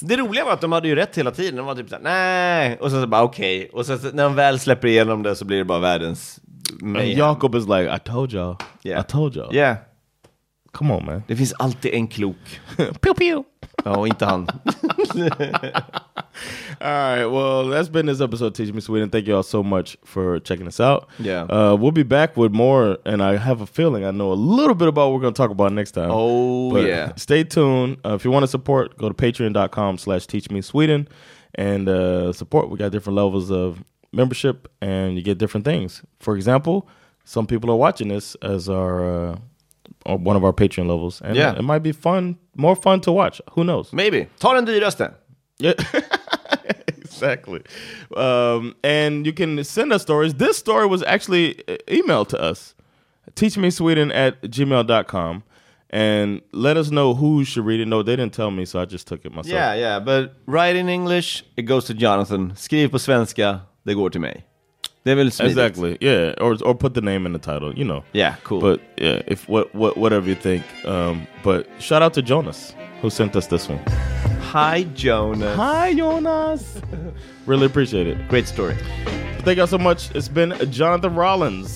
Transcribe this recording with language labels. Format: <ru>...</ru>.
<sv>Det roliga var att de hade ju rätt hela tiden. De var typ såhär, nej. Och sen så bara, okej. Okay. Och sen så, när de väl släpper igenom det så blir det bara världens</sv> <en>mayhem. And Jacob is like, I told y'all. Yeah. I told y'all. Yeah. Come on, man.</en> <sv>Det finns alltid en klok. Pew, pew. Ja, och inte han.</sv> <en>All right, well, that's been this episode of Teach Me Sweden. Thank you all so much for checking us out. Yeah. We'll be back with more, and I have a feeling I know a little bit about what we're going to talk about next time. Oh, but yeah. Stay tuned. If you want to support, go to patreon.com/teachmesweden and support. We got different levels of membership, and you get different things. For example, some people are watching this as our... one of our Patreon levels, and yeah, it might be fun, more fun to watch. Who knows?</en> <sv>Maybe. Ta den dyraste.</sv> <en>Yeah. Exactly. And you can send us stories. This story was actually emailed to us, teachmesweden@gmail.com, and let us know who should read it. No, they didn't tell me, so I just took it myself. Yeah, yeah. But write in English, it goes to Jonathan.</en> <sv>Skriv på svenska, det går till mig. Det är väl smidigt.</sv> <en>Exactly. Yeah, or put the name in the title, you know. Yeah, cool. But yeah, if what whatever you think. But shout out to Jonas who sent us this one. Hi Jonas. Hi Jonas. Really appreciate it. Great story. Thank you all so much. It's been Jonathan Rollins.</en>